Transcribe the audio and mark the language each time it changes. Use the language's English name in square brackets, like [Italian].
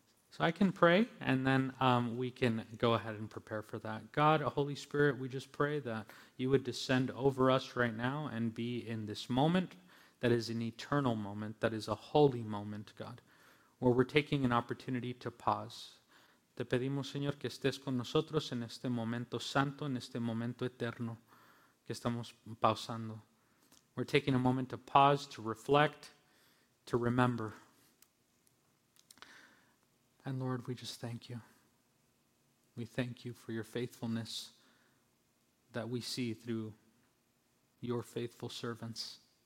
[English] So I can pray, and then we can go ahead and prepare for that. God, Holy Spirit, we just pray that you would descend over us right now and be in this moment. That is an eternal moment, that is a holy moment, God, where we're taking an opportunity to pause, [Spanish] Te pedimos, Señor, que estés con nosotros en este momento santo, en este momento eterno que estamos pausando. [English] We're taking a moment to pause, to reflect, to remember. And Lord, we just thank you. We thank you for your faithfulness that we see through your faithful servants.